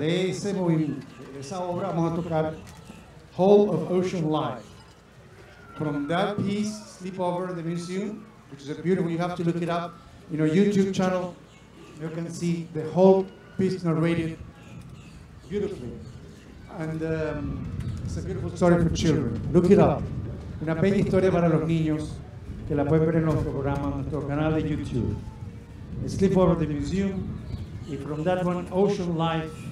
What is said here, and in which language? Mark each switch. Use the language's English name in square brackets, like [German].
[Spanish] De ese movimiento, de esa obra, vamos a tocar Whole of Ocean Life. [English] From that piece, Sleep Over the Museum, which is a beautiful, you have to look it up in our YouTube channel, you can see the whole piece narrated beautifully. And it's a beautiful story for children. Look it up. [Spanish] Una bella historia para los niños que la pueden ver en nuestro programa, en nuestro canal de YouTube. [English] Sleep Over the Museum, and from that one, Ocean Life.